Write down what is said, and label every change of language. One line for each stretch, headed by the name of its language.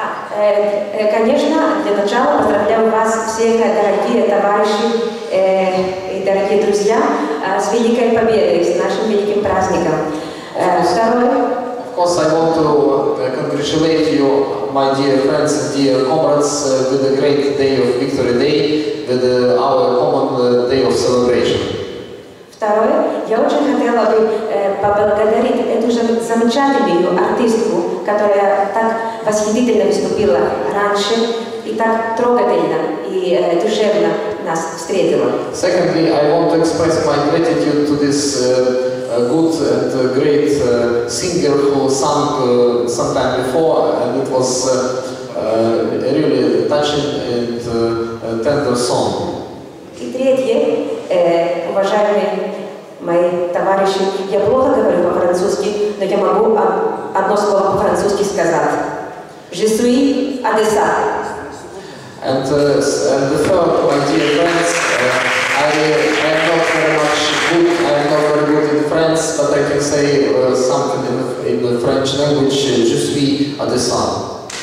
Russian: Первое, конечно, для начала поздравляю вас всех, дорогие товарищи и дорогие друзья, с великой победой, с нашим великим праздником. Второе.
English: Of course, I want to congratulate you, my dear friends and dear comrades, with the great day of Victory Day, with our common day of celebration.
Russian: Второе. Я очень хотела бы поблагодарить эту же замечательную артистку, которая так восхитительно выступила раньше и так трогательно и душевно нас встретила.
English: Secondly, I want to express my gratitude to this good and great singer who sang sometime before, and it was a really touching and tender song.
Russian: И третье, уважаемые мои товарищи, я плохо говорю по-французски, но я могу одно слово по-французски сказать.
French: Je suis adessat.
English: And the third, my dear friends, I am not very much good, I am not very good in French, but I can say something in the French language,
French: je suis adessat.